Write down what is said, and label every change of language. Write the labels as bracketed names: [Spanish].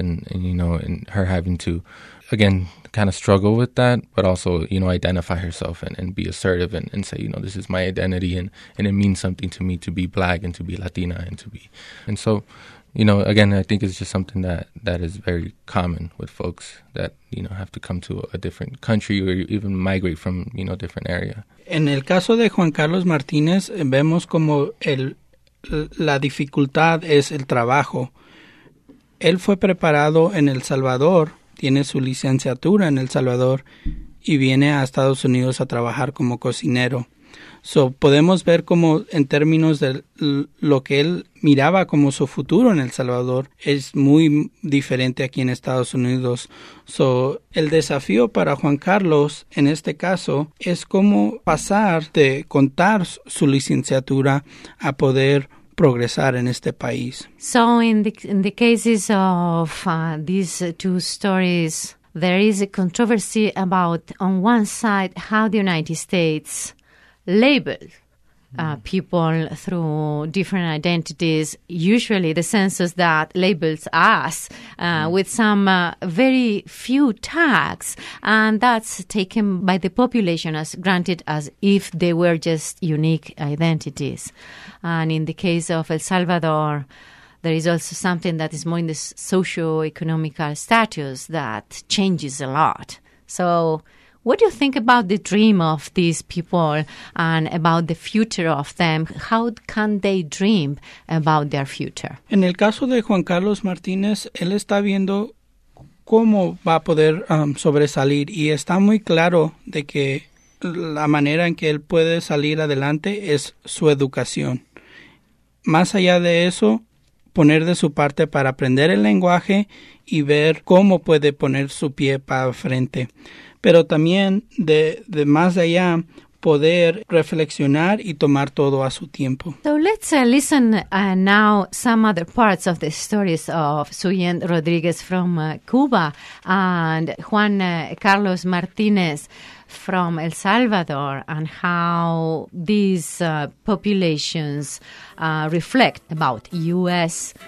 [English] And you know, and her having to, again, kind of struggle with that, but also, you know, identify herself and be assertive and say, you know, this is my identity and it means something to me to be black and to be Latina and to be. And so, you know, again, I think it's just something that is very common with folks that, you know, have to come to a different country or even migrate from, you know, different area. [Spanish] En el caso de Juan Carlos Martínez, vemos como la dificultad es el trabajo. Él fue preparado en El Salvador, tiene su licenciatura en El Salvador y viene a Estados Unidos a trabajar como cocinero. So, podemos ver como en términos de lo que él miraba como su futuro en El Salvador es muy diferente aquí en Estados Unidos. So, el desafío para Juan Carlos en este caso es cómo pasar de contar su licenciatura a poder progresar en este país. [English] So in the cases of these two stories, there is a controversy about on one side how the United States label people through different identities. Usually the census that labels us with some very few tags, and that's taken by the population as granted as if they were just unique identities. And in the case of El Salvador, there is also something that is more in the socio-economical status that changes a lot. So what do you think about the dream of these people and about the future of them? How can they dream about their future? [Spanish] En el caso de Juan Carlos Martínez, él está viendo cómo va a poder sobresalir, y está muy claro de que la manera en que él puede salir adelante es su educación. Más allá de eso, poner de su parte para aprender el lenguaje y ver cómo puede poner su pie para frente. Pero también de más allá, poder reflexionar y tomar todo a su tiempo. [English] So let's listen now some other parts of the stories of Suyen Rodriguez from Cuba and Juan Carlos Martínez from El Salvador, and how these populations reflect about U.S.